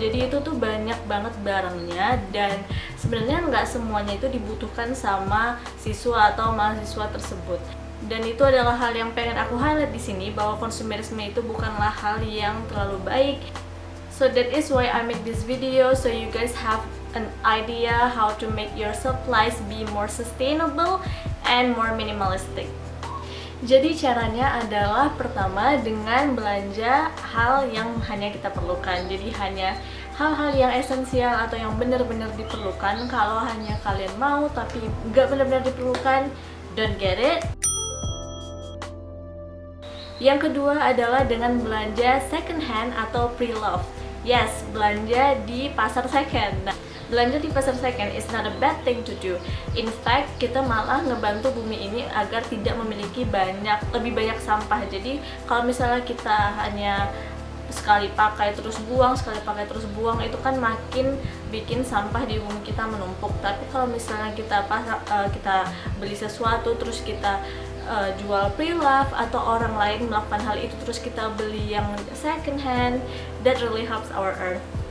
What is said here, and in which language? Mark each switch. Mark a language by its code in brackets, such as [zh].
[id] Jadi itu tuh banyak banget barangnya, dan sebenarnya nggak semuanya itu dibutuhkan sama siswa atau mahasiswa tersebut. Dan itu adalah hal yang pengen aku highlight di sini, bahwa konsumerisme itu bukanlah hal yang terlalu baik. [en] So that is why I make this video, so you guys have an idea how to make your supplies be more sustainable and more minimalistic. [id] Jadi caranya adalah, pertama, dengan belanja hal yang hanya kita perlukan. Jadi hanya hal-hal yang esensial atau yang benar-benar diperlukan. Kalau hanya kalian mau tapi nggak benar-benar diperlukan, [en] don't get it. [id] Yang kedua adalah dengan belanja second hand atau pre-loved. Yes, belanja di pasar second. Nah, belanja di pasar second [en] is not a bad thing to do. In fact, [id] kita malah ngebantu bumi ini agar tidak memiliki lebih banyak sampah. Jadi, kalau misalnya kita hanya sekali pakai terus buang, itu kan makin bikin sampah di bumi kita menumpuk. Tapi kalau misalnya kita beli sesuatu terus kita jual pre-love, atau orang lain melakukan hal itu terus kita beli yang second hand, [en] that really helps our earth.